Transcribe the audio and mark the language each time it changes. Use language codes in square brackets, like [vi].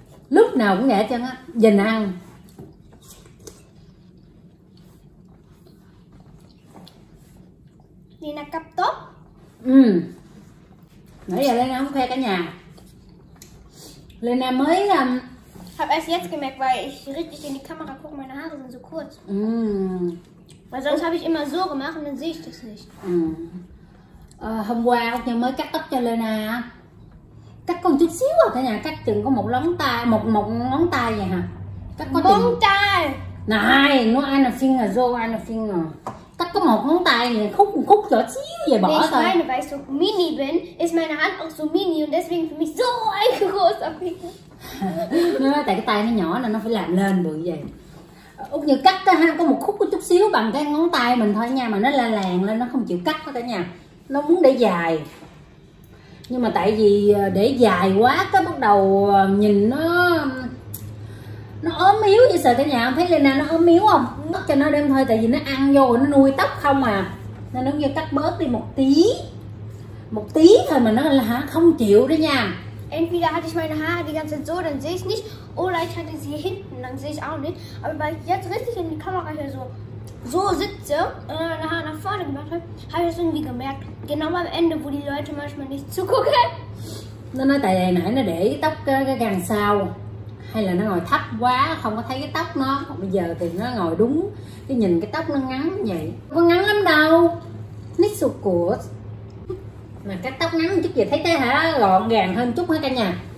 [vi] Lúc nào cũng nhẹ chân á, dình ăn. Đi là cặp tốt. Ừ. Nãy giờ Lena không khoe cả nhà. Lena mới làm. [de] Hab erst jetzt gemerkt, weil ich richtig in die Kamera gucke, meine Haare sind so kurz. Weil sonst habe ich immer so gemacht und dann sehe ich das nicht. [vi] Hôm qua Úc Nhân mới cắt tóc cho Lena. Cắt con chút xíu à cả nhà, cắt chừng có một lóng tay, một ngón tay vậy hả? Cắt có ngón tay. Này, nó ai là phim à, dô ai là phim à. Cắt có một ngón tay vậy, khúc chỗ xíu vậy bỏ thôi. [de] Ich meine, weil ich so mini bin, ist meine Hand auch so mini und deswegen für mich so ein großer Finger. [vi] Tại cái tay nó nhỏ nên nó phải làm lên bự vậy. Úc Như cắt ha, có một khúc có chút xíu bằng cái ngón tay mình thôi nha, mà nó la làng lên, nó không chịu cắt đó cả nhà. Nó muốn để dài. Nhưng mà tại vì để dài quá cái bắt đầu nhìn nó ốm yếu vậy, sợ cả nhà không thấy Lena nó ốm yếu không, mất cho nó đem thôi, tại vì nó ăn vô nó nuôi tóc không à, nên nó như cắt bớt đi một tí thôi mà nó là không chịu đó nha. [de] Entweder hatte ich meine Haare die ganze Zeit so, dann sehe ich nicht, oder ich hatte sie hinten, dann sehe ich auch nicht, aber weil ich jetzt richtig in die Kamera hier so sitze und meine Haare nach vorne gemacht habe, habe ich es irgendwie gemerkt. Genau am Ende, wo die Leute manchmal nicht zugucken. [vi] Nó nói tại nãy nó để tóc cái gần sau, hay là nó ngồi thấp quá không có thấy cái tóc nó. Bây giờ thì nó ngồi đúng, cái nhìn cái tóc nó ngắn vậy. Có ngắn lắm đâu. Nít sụt cuột. Mà cắt tóc ngắn chút gì thấy cái hả gọn gàng hơn chút hả cả nhà.